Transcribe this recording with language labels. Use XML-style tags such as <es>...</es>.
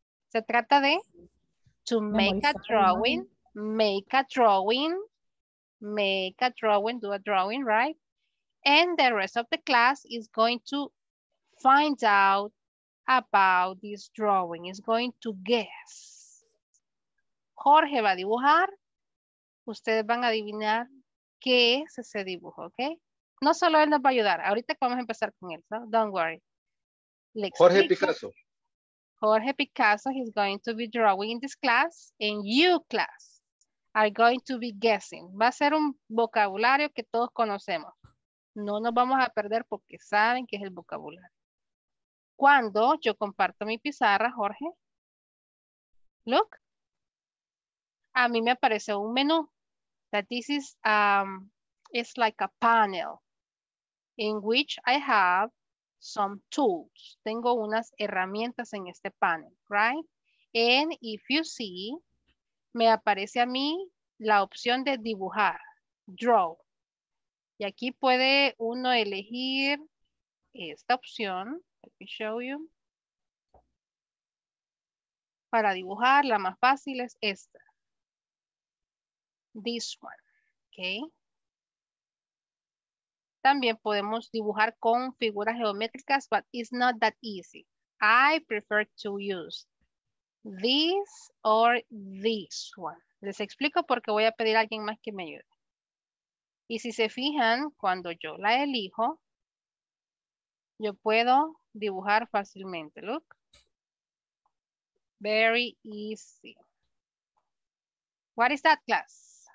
<es>Se trata de</es> <en>to make a drawing, make a drawing, make a drawing, do a drawing, right? And the rest of the class is going to find out about this drawing. It's going to guess.</en> <es>Jorge va a dibujar. Ustedes van a adivinar qué es ese dibujo, ¿ok? No solo él nos va a ayudar. Ahorita vamos a empezar con él, ¿no?</es> <en>Don't worry.</en> <es>Jorge Picasso.</es> <en>Jorge Picasso is going to be drawing in this class. And you, class, are going to be guessing.</en> <es>Va a ser un vocabulario que todos conocemos. No nos vamos a perder porque saben que es el vocabulario. Cuando yo comparto mi pizarra, Jorge.</es> <en>Look.</en> <es>A mí me aparece un menú.</es> <en>That this is, it's like a panel in which I have some tools.</en> <es>Tengo unas herramientas en este panel, right?</es> <en>And if you see,</en> <es>me aparece a mí la opción de dibujar, draw. Y aquí puede uno elegir esta opción.</es> <en>Let me show you.</en> <es>Para dibujar, la más fácil es esta.</es> <en>This one, okay?</en> <es>También podemos dibujar con figuras geométricas,</es> <en>but it's not that easy. I prefer to use this or this one.</en> <es>Les explico porque voy a pedir a alguien más que me ayude. Y si se fijan, cuando yo la elijo, yo puedo dibujar fácilmente.</es> <en>Look. Very easy. What is that, class?</en>